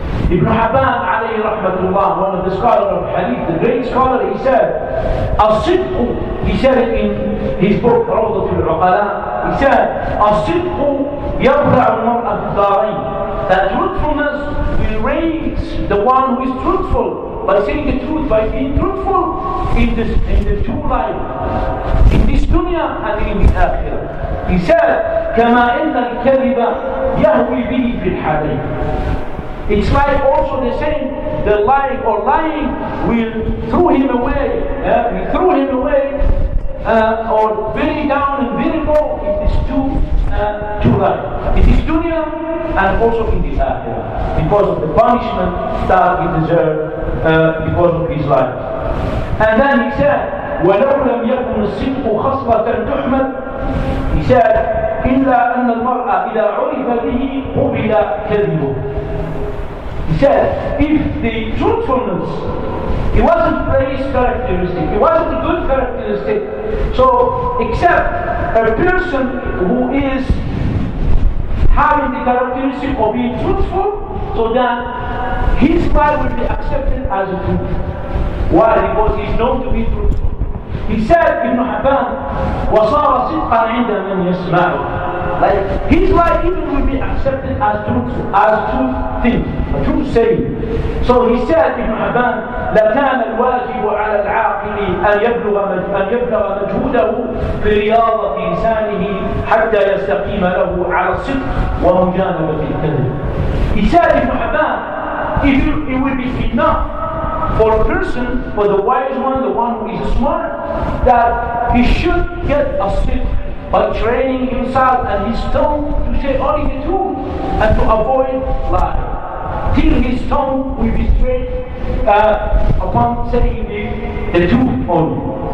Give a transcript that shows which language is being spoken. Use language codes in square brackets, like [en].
[en] Ibn Hibban alayhi rahmatullah, one of the scholars of Hadith, the great scholar, he said, As-Sidqu, he said it in his book, Rawdatul Uqala, he said, [ar] As-Sidqu yabra'u mar'a bidarain. [en] That truthfulness will raise the one who is truthful. By saying the truth, by being truthful in the two lives, in this dunya and in the akhirah. He said, [ar] كَمَا إِنَّ الْكَذِبَ يَهْوِي بِهِ فِي الْحَدِيثِ. [en] It's like also the same, the lying or lying will throw him away. We throw him away or very down and very low in these two lives. In this dunya and also in the Akhirah, because of the punishment that he deserved because of his life. And then he said, [ar] وَلَوْ لَمْ يَكُنْ الصِّدْقُ خَصْبَةً تُحْمَدْ. [en] He said, [ar] إِلَّا أَنَّ الْمَرْأَ إِذَا عُرِفَ بِهِ قُبِلَ كَذِبُ. [en] He said, if the truthfulness, it wasn't praise characteristic, it wasn't a good characteristic, so except a person who is having the characteristic of being truthful, so then his life will be accepted as a truth. Why? Because he's known to be truthful. He said, [ar] Ibn Hibban, وَصَارَ صِدْقًا عِنْدَ مَنْ يَسْمَعُ. [en] Like, his life even will be accepted as truthful, as truth thing, a truth saying. So he said, [ar] Ibn Hibban, لَكَانَ الْوَاجِبُ عَلَى الْعَاقِلِ أَنْ يَبْلُغَ مَجْهُودَهُ فِي رِيَاضَةِ إِنْسَانِهِ حَتَّى يَسْتَقِيمَ لَهُ عَلَى الصِّدْقِ وَمُجَانَبَةِ الْكَذِبِ. [en] He said, Ibn Hibban, it will be enough for a person, for the wise one, the one who is smart, that he should get a sit by training himself and his tongue to say only the truth and to avoid lying, till his tongue will be straight upon saying the truth only.